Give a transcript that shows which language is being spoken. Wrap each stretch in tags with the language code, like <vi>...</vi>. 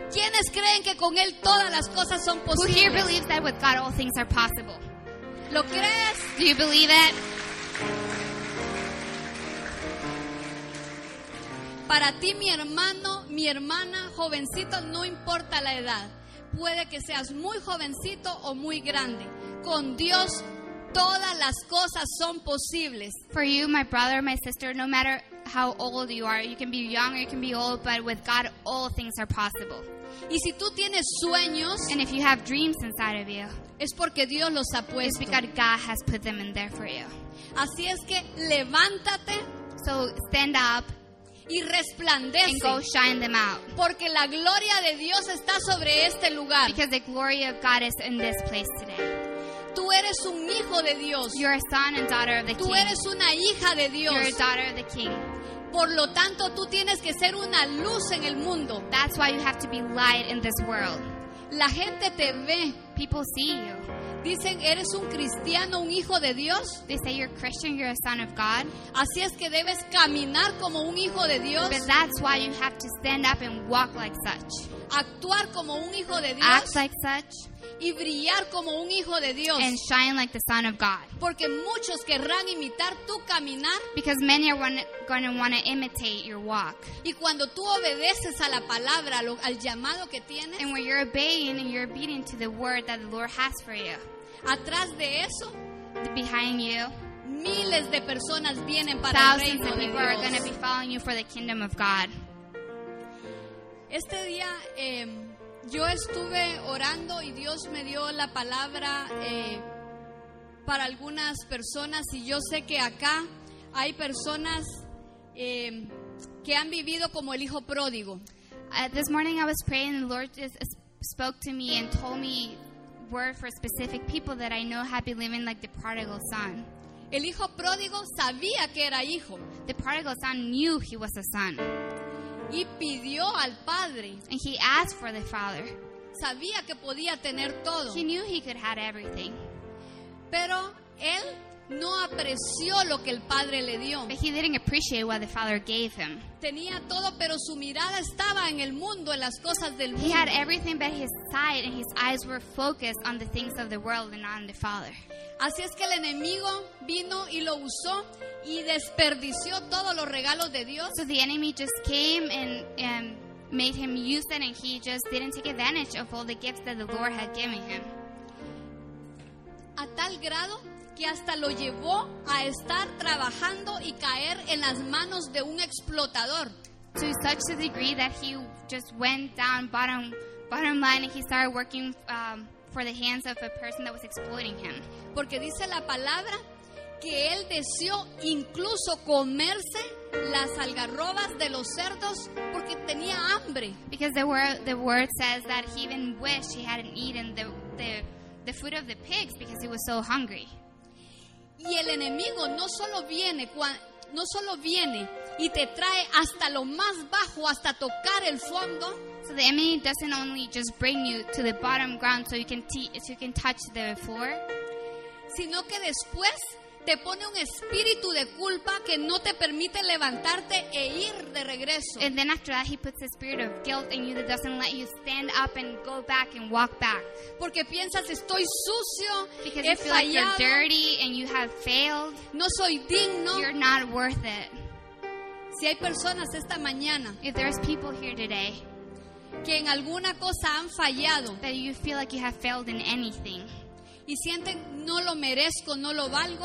<es>¿Quiénes creen que con él todas las cosas son posibles?</es> <en>Who here believes that with God all things are possible?</en> <es>¿Lo crees?</es> <en>Do you believe it?</en> <es>Para ti, mi hermano, mi hermana, jovencito, no importa la edad. Puede que seas muy jovencito o muy grande. Con Dios todas las cosas son posibles.</es> <en>For you, my brother, my sister, no matter how old you are, you can be young or you can be old, but with God, all things are possible.</en> <es>Y si tú tienes sueños,</es> <en>and if you have dreams inside of you,</en> <es>es porque Dios los ha puesto.</es> <en>It's because God has put them in there for you.</en> <es>Así es que levántate.</es> <en>So stand up.</en> <es>Y resplandece.</es> <en>And go shine them out.</en> <es>Porque la gloria de Dios está sobre este lugar.</es> <en>Because the glory of God is in this place today.</en> <es>Tú eres un hijo de Dios.</es> <en>You're a son and daughter of the king.</en> <es>Tú eres una hija de Dios.</es> <en>You're a daughter of the king.</en> <es>Por lo tanto, tú tienes que ser una luz en el mundo.</es> <en>That's why you have to be light in this world.</en> <es>La gente te ve.</es> <en>People see you.</en> <es>Dicen, eres un cristiano, un hijo de Dios.</es> <en>They say you're Christian, you're a son of God.</en> <es>Así es que debes caminar como un hijo de Dios.</es> <en>But that's why you have to stand up and walk like such.</en> <es>Actuar como un hijo de Dios.</es> <en>Act like such.</en> <es>Y brillar como un hijo de Dios.</es> <en>And shine like the son of God.</en> <es>Porque muchos querrán imitar tu caminar.</es> <en>Because many are going to want to imitate your walk.</en> <es>Y cuando tú obedeces a la palabra, al llamado que tienes.</es> <en>And when you're obeying and you're obedient to the word that the Lord has for you.</en> <es>Atrás de eso.</es> <en>Behind you.</en> <es>Miles de personas vienen para el reino de Dios.</es> <en>Thousands of people are going to be following you for the kingdom of God.</en> <es>Este día, yo estuve orando y Dios me dio la palabra para algunas personas y yo sé que acá hay personas que han vivido como el hijo pródigo.</es> <en>This morning I was praying, and the Lord just spoke to me and told me word for specific people that I know have been living like the prodigal son.</en> <es>El hijo pródigo sabía que era hijo.</es> <en>The prodigal son knew he was a son.</en> <es>Y pidió al padre.</es> <en>And he asked for the father.</en> <es>Sabía que podía tener todo.</es> <en>He knew he could have everything.</en> <es>Pero él no apreció lo que el padre le dio.</es> <en>But he didn't appreciate what the father gave him.</en> <es>Tenía todo, pero su mirada estaba en el mundo, en las cosas del mundo.</es> <en>He had everything but his sight, and his eyes were focused on the things of the world and not on the father.</en> <es>Así es que el enemigo vino y lo usó y desperdició todos los regalos de Dios.</es> <en>So the enemy just came and made him use it, and he just didn't take advantage of all the gifts that the Lord had given him.</en> <es>A tal grado que hasta lo llevó a estar trabajando y caer en las manos de un explotador.</es> <en>To such a degree that he just went down bottom line, and he started working for the hands of a person that was exploiting him.</en> <es>Porque dice la palabra que él deseó incluso comerse las algarrobas de los cerdos porque tenía hambre.</es> <en>Because the word says that he even wished he hadn't eaten the food of the pigs because he was so hungry.</en> <es>Y el enemigo no solo viene y te trae hasta lo más bajo, hasta tocar el fondo.</es> <en>So the enemy doesn't only just bring you to the bottom ground so you can touch the floor,</en> <es>sino que después te pone un espíritu de culpa que no te permite levantarte e ir de regreso.</es> <en>And then after that, he puts a spirit of guilt in you that doesn't let you stand up and go back and walk back.</en> <es>Porque piensas, estoy sucio,</es> <en>because you feel like you're dirty and you have failed.</en> <es>No soy digno.</es> <en>You're not worth it.</en> <es>Si hay personas esta mañana,</es> <en>if there's people here today,</en> <es>que en alguna cosa han fallado,</es> <en>that you feel like you have failed in anything,</en> <es>y sienten, no lo merezco, no lo valgo,</es>